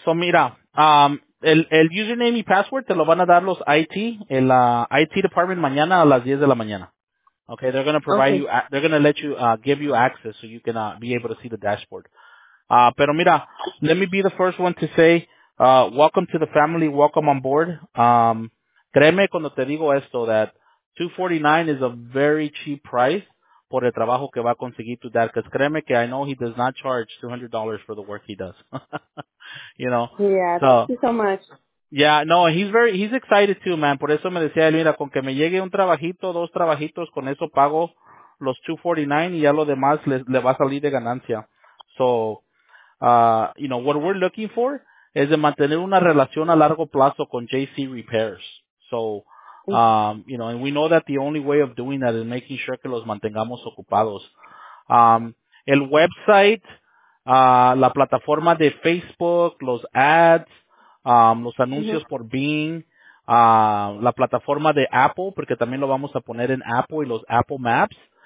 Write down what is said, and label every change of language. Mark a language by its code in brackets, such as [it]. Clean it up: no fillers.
[es] So mira, el username y password te lo van a dar los IT, el IT department mañana a las 10 de la mañana. [en] Okay, they're going to provide you, they're going to let you, give you access so you can be able to see the dashboard. [es] Pero mira, [en] let me be the first one to say, welcome to the family. Welcome on board. [es] Créeme cuando te digo esto, [en] that $249 is a very cheap price [es] por el trabajo que va a conseguir tu dad. [en] Because créeme que I know he does not charge $200 for the work he does. You know? Yeah, so, thank you so much. Yeah, no, he's excited too, man. [es] Por eso me decía él, mira, con que me llegue un trabajito, dos trabajitos, con eso pago los $249 y ya lo demás le va a salir de ganancia. [en] So, you know, what we're looking for [es] es de mantener una relación a largo plazo con JC Repairs. [en] So, you know, and we know that the only way of doing that is making sure [es] que los mantengamos ocupados. El website, la plataforma de Facebook, los ads, los anuncios por Bing, la plataforma de Apple, porque también lo vamos a poner en Apple y los Apple Maps.